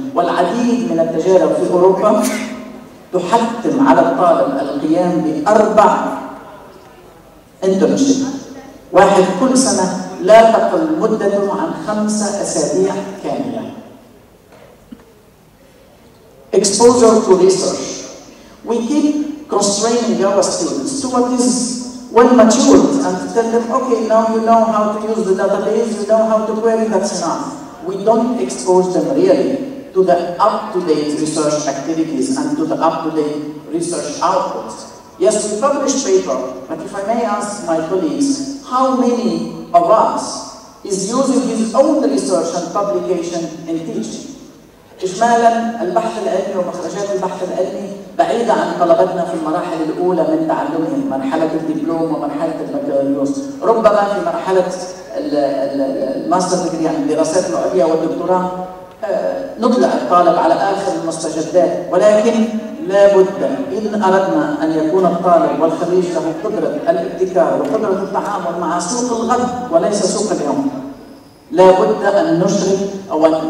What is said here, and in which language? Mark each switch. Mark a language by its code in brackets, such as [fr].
[ar] والعديد من التجارب في أوروبا تحتم على الطالب القيام بأربع انترنشيب واحد كل سنة لا تقل مدته عن 5 أسابيع كاملة. [en] Exposure to research. We keep constraining our students to what is well matured and tell them, okay, now you know how to use the database, you know how to query, that's enough. We don't expose them really to the up-to-date research activities and to the up-to-date research outputs. Yes, we published paper, but if I may ask my colleagues, how many of us is using his own research and publication in teaching? [ar] إجمالاً البحث العلمي ومخرجات البحث العلمي بعيدة عن طلبتنا في المراحل الأولى من تعلمهم مرحلة الدبلوم ومرحلة البكالوريوس ربما في مرحلة الماستر ديجري يعني الدراسات العليا والدكتوراه نبدا الطالب على اخر المستجدات ولكن لا بد ان اردنا ان يكون الطالب والخريج له قدره الابتكار وقدره التعامل مع سوق الغد وليس سوق اليوم لا بد ان نشرف او